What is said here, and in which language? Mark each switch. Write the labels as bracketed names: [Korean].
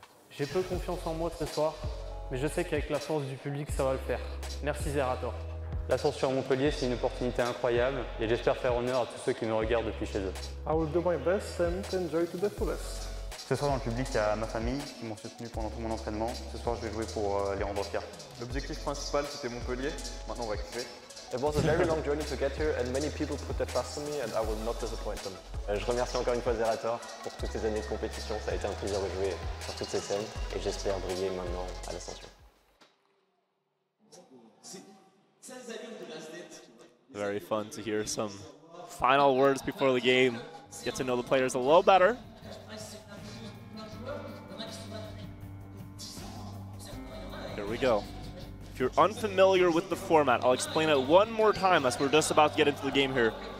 [French] J'ai peu confiance en moi ce soir, mais je sais qu'avec la force du public, ça va le faire. Merci Zerator. L'ascension sur Montpellier, c'est une opportunité incroyable, et j'espère faire honneur à tous ceux qui nous regardent depuis chez eux. [English] I will do my best and enjoy to the fullest. [French] Ce soir dans le public, il y a ma famille qui m'ont soutenu pendant tout mon entraînement. Ce soir, je vais jouer pour les rendre fiers. L'objectif principal, c'était Montpellier. Maintenant, on va kiffer. [English] It was a very long journey to get here, and many people put their trust in me, and I will not disappoint them. [French] Je remercie encore une fois Zerator pour toutes ces années de compétition. Ça a été un plaisir de jouer sur toutes ces scènes, et j'espère briller maintenant à l'ascension. [English] Very fun to hear some final words before the game. Get to know the players a little better. Here we go. If you're unfamiliar with the format, I'll explain it one more time as we're just about to get into the game here.